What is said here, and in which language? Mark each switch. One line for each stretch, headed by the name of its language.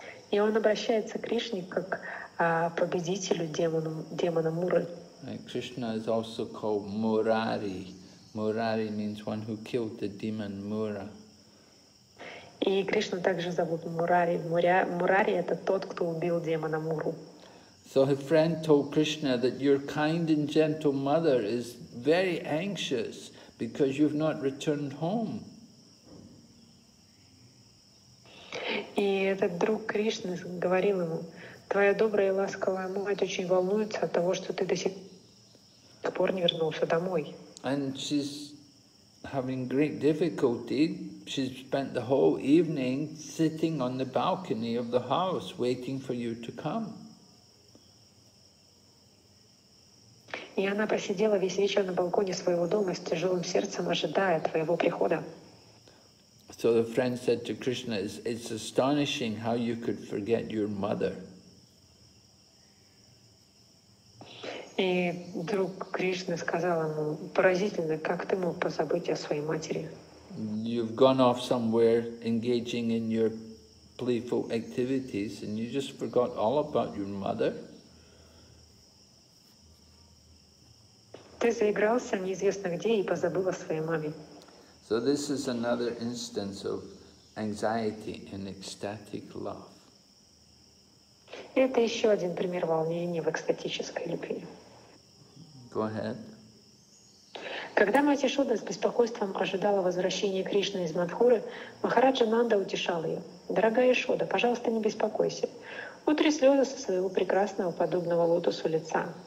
Russian: И он обращается к Кришне как победителю демона Мура.
English: And Krishna is also called Murari. Murari means one who killed the demon Mura.
Russian: И Кришну также зовут Мурари. Мурари — это тот, кто убил демона Муру.
English: So his friend told Krishna that your kind and gentle mother is very anxious because you've not returned home.
Russian: И этот друг Кришны говорил ему, твоя добрая и ласковая мать очень волнуется от того, что ты до сих пор не вернулся домой.
English: And she's having great difficulty. She spent the whole evening sitting on the balcony of the house waiting for you to come.
Russian: И она просидела весь вечер на балконе своего дома с тяжелым сердцем, ожидая твоего прихода.
English: So the friend said to Krishna, it's astonishing how you could forget your mother.
Russian: И друг Кришны сказал ему, поразительно, как ты мог позабыть о своей матери?
English: You've gone off somewhere engaging in your playful activities and you just forgot all about your mother.
Russian: Ты заигрался неизвестно где и позабыл о своей маме.
English: So this is another instance of anxiety and ecstatic love.
Russian: Это еще один пример волнения в экстатической любви.
English: Go ahead.
Russian: Когда мать Яшода с беспокойством ожидала возвращения Кришны из Мадхуры, Махараджа Нанда утешал ее. «Дорогая Яшода, пожалуйста, не беспокойся. Утри слезы со своего прекрасного подобного лотосу лица.